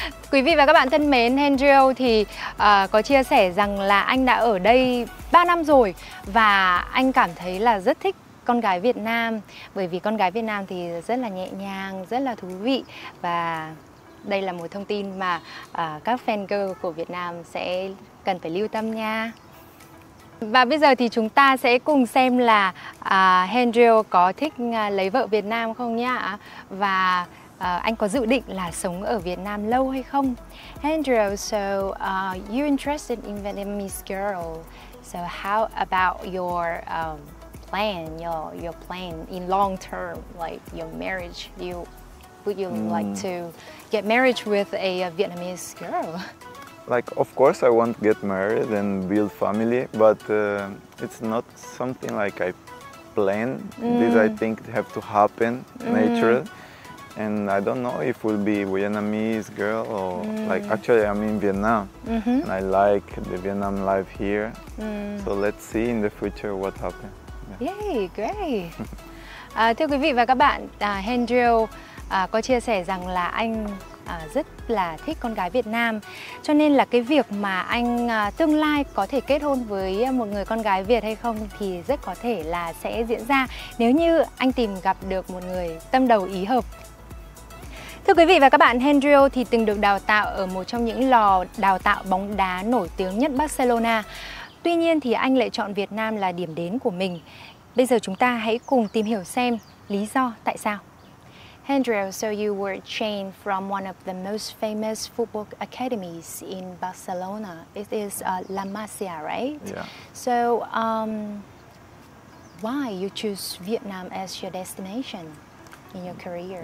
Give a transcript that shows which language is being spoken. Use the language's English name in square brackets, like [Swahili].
[Vietnamese] Quý vị và các bạn thân mến, Hendrio thì có chia sẻ rằng là anh đã ở đây 3 năm rồi và anh cảm thấy là rất thích con gái Việt Nam bởi vì con gái Việt Nam thì rất là nhẹ nhàng, rất là thú vị và đây là một thông tin mà các fan girl của Việt Nam sẽ cần phải lưu tâm nha. Và bây giờ thì chúng ta sẽ cùng xem là Hendrio có thích lấy vợ Việt Nam không nhá. Và anh có dự định là sống ở Việt Nam lâu hay không? [English] Hendrio, so you're interested in Vietnamese girl. So how about your plan in long term, like your marriage? Would you like to get married with a Vietnamese girl? Like, of course I want to get married and build family, but it's not something like I plan. Mm. This I think have to happen naturally. And I don't know if we'll be Vietnamese girl or like, actually I'm in Vietnam. Mm-hmm. And I like the Vietnam life here. Mm. So let's see in the future what happens. Yeah. Yay, great. [Vietnamese] thưa quý vị và các bạn, Hendrio có chia sẻ rằng là anh rất là thích con gái Việt Nam. Cho nên là cái việc mà anh tương lai có thể kết hôn với một người con gái Việt hay không thì rất có thể là sẽ diễn ra nếu như anh tìm gặp được một người tâm đầu ý hợp. Thưa quý vị và các bạn, Hendrio thì từng được đào tạo ở một trong những lò đào tạo bóng đá nổi tiếng nhất Barcelona. Tuy nhiên thì anh lại chọn Việt Nam là điểm đến của mình. Bây giờ chúng ta hãy cùng tìm hiểu xem lý do tại sao. [English] Hendrio, so you were trained from one of the most famous football academies in Barcelona. It is La Masia, right? Yeah. So, why you choose Vietnam as your destination in your career?